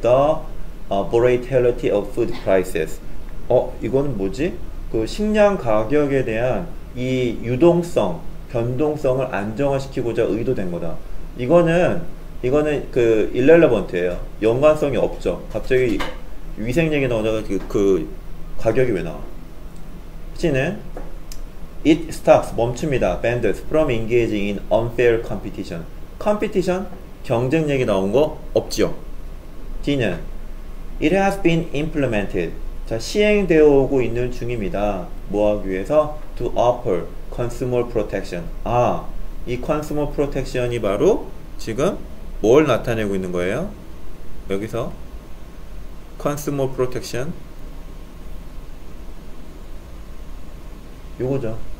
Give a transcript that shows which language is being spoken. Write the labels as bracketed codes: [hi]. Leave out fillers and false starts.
[en] the volatility of food prices. [ko] 이건 뭐지? 그 식량 가격에 대한 이 유동성, 변동성을 안정화시키고자 의도된 거다. 이거는 그 irrelevant예요. 연관성이 없죠. 갑자기 위생 얘기 나오다가 그 가격이 왜 나와? 혹시는 [en] It stops, [ko] 멈춥니다. [en] Vendors from engaging in unfair competition. Competition? [ko] 경쟁 얘기 나온 거 없지요. [en] D는 It has been implemented. [ko] 자, 시행되어 오고 있는 중입니다. 뭐 하기 위해서? [en] To offer consumer protection. [ko] 아, 이 consumer protection이 바로 지금 뭘 나타내고 있는 거예요? 여기서 consumer protection 요거죠.